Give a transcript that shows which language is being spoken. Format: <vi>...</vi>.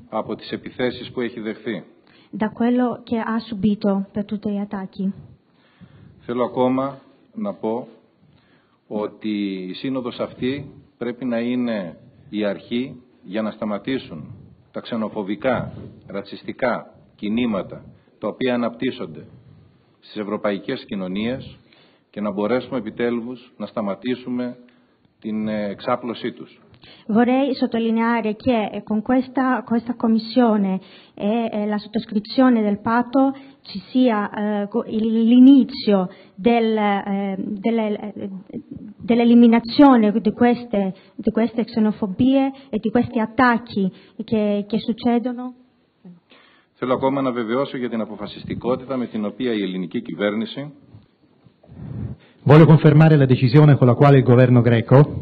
<el>από τις επιθέσεις που έχει δεχθεί</el> <it>da quello che ha subito per tutti gli attacchi.</it> <el>Θέλω ακόμα να πω ότι η σύνοδος αυτή πρέπει να είναι η αρχή για να σταματήσουν τα ξενοφοβικά, ρατσιστικά κινήματα τα οποία αναπτύσσονται στις ευρωπαϊκές κοινωνίες και να μπορέσουμε επιτέλους να σταματήσουμε την εξάπλωσή τους.</el> <it>Vorrei sottolineare che con questa commissione e la sottoscrizione del patto ci sia l'inizio dell'eliminazione di queste xenofobie e di questi attacchi che succedono.</it> <el>Θέλω ακόμα να βεβαιώσω για την αποφασιστικότητα με την οποία η ελληνική κυβέρνηση</el> <it>voglio confermare la decisione con la quale il governo greco</it>